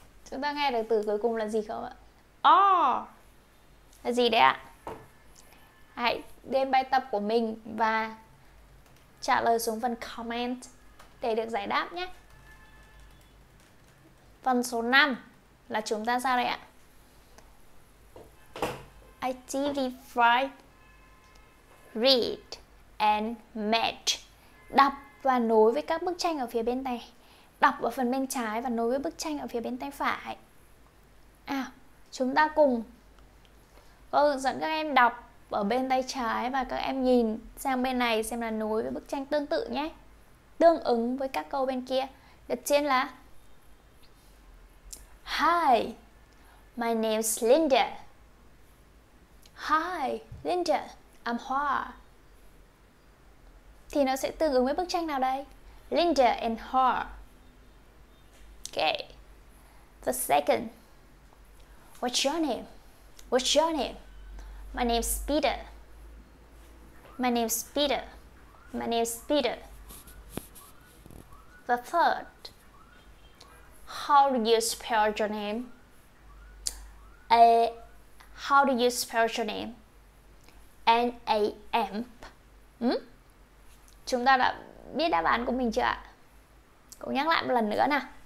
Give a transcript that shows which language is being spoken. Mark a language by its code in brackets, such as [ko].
[vi] Chúng ta nghe được từ cuối cùng là gì không ạ? O là gì đấy ạ? Hãy đem bài tập của mình và trả lời xuống phần comment để được giải đáp nhé. Phần số 5 là chúng ta sao đây ạ? [en] Activity 5, read and match. [vi] Đọc và nối với các bức tranh ở phía bên này. Đọc ở phần bên trái và nối với bức tranh ở phía bên tay phải. À, chúng ta cùng cô hướng dẫn các em đọc ở bên tay trái và các em nhìn sang bên này xem là nối với bức tranh tương tự nhé. Tương ứng với các câu bên kia. Đầu tiên là [en] Hi, my name's Linda. Hi, Linda, I'm Hoa. [vi] Thì nó sẽ tương ứng với bức tranh nào đây? [en] Linda and Hoa. Okay. The second. What's your name? What's your name? My name's Peter. My name's Peter. My name's Peter. The third. How do you spell your name? How do you spell your name? N-A-M-P. [vi] Chúng ta đã biết đáp án của mình chưa ạ? Cũng nhắc lại một lần nữa nào.